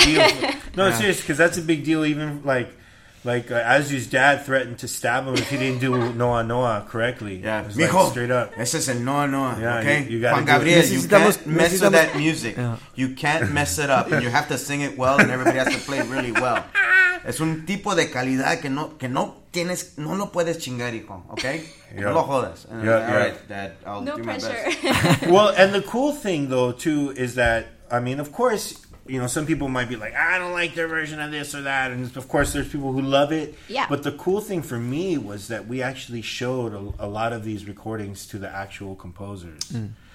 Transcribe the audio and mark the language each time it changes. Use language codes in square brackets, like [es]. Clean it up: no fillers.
[en] big deal. No, seriously, because that's a big deal even, like, like Azu's dad threatened to stab him if he didn't do Noah Noah correctly. Yeah, mijo, like straight up. This is a Noah Noah. Yeah, okay, you got Juan Gabriel, you can't mess with that music. Yeah. You can't mess it up, and you have to sing it well, and everybody has to play really well. [es] Es un tipo de calidad que no tienes, no lo puedes chingar, hijo. [en] Okay, yep. [es] No lo jodas. [en] Yep. All right, Dad, I'll no do pressure. My best. Well, and the cool thing though too is that I mean, of course. You know, some people might be like, I don't like their version of this or that. And of course, there's people who love it. Yeah. But the cool thing for me was that we actually showed a lot of these recordings to the actual composers. Mm.